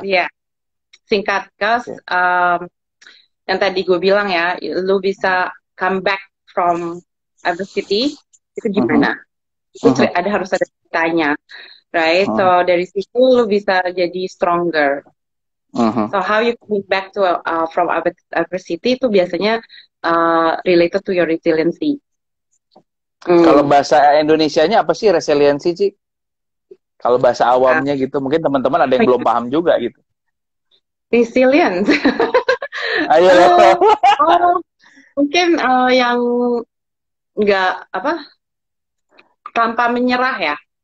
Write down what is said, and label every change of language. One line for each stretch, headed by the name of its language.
Indonesian: Iya, yeah. Singkat, cause yang tadi gue bilang ya, lu bisa
English: come back from adversity
Indonesian: itu gimana? Mm-hmm. Itu ada harus ada ceritanya, right? Mm-hmm. So dari situ lu bisa jadi
English: stronger. Mm-hmm. So how you come back to from adversity
Indonesian: itu biasanya
English: related to your resiliency.
Indonesian: Kalau bahasa Indonesianya apa sih resiliensi, Ci? Kalau bahasa awamnya gitu, mungkin teman-teman ada yang belum paham juga gitu.
English: Resilience.
Indonesian: Ayo. Mungkin yang nggak apa, tanpa menyerah ya.